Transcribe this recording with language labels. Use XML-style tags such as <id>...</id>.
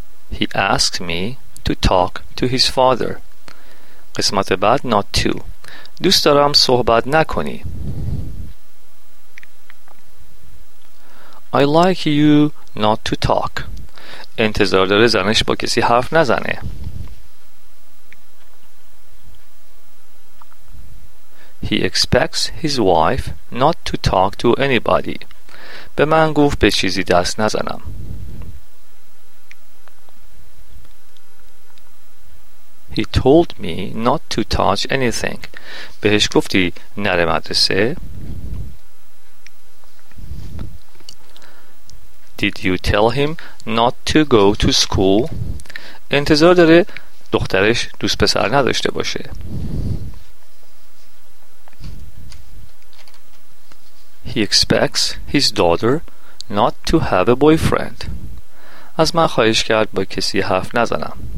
<en>He asked me to talk to his father.</en> <fa>قسمت بعد</fa> <en>not to.</en> <fa>دوست دارم صحبت نکنی.</fa> <en>I like you not to talk.</en> <fa>انتظار داره زنش با کسی حرف نزنه.</fa> <en>He expects his wife not to talk to anybody.</en> <fa>به من گفت به چیزی دست نزنم.</fa> <en>He told me not to touch anything.</en> <fa>بهش گفتی نره مدرسه.</fa> <en>Did you tell him not to go to school?</en> <fa>انتظار داره دخترش دوست پسر نداشته باشه.</fa> <en>He expects his daughter not to have a boyfriend.</en> <fa>از من خواهش کرد با کسی حرف نزنم.</fa>